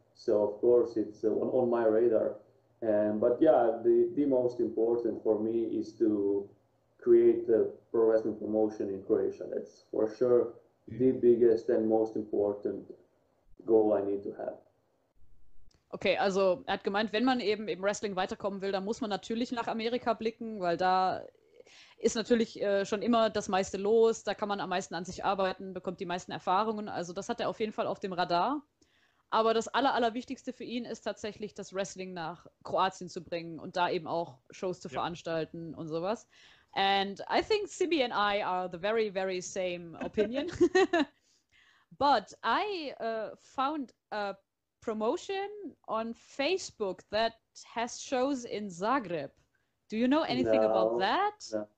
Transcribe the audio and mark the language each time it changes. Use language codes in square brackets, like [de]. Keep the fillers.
[en] So, of course, it's on, uh, on my radar. And but yeah, the the most important for me is to create a pro wrestling promotion in Croatia. That's for sure the biggest and most important goal I need to have. [de] Okay, also er hat gemeint, wenn man eben im Wrestling weiterkommen will, dann muss man natürlich nach Amerika blicken, weil da ist natürlich schon immer das meiste los, da kann man am meisten an sich arbeiten, bekommt die meisten Erfahrungen. Also das hat er auf jeden Fall auf dem Radar. Aber das aller, Allerwichtigste aller für ihn ist tatsächlich, das Wrestling nach Kroatien zu bringen und da eben auch Shows zu ja. veranstalten und sowas. [en] And I think Simi and I are the very, very same opinion. but I uh, found a promotion on Facebook that has shows in Zagreb. Do you know anything no, about that?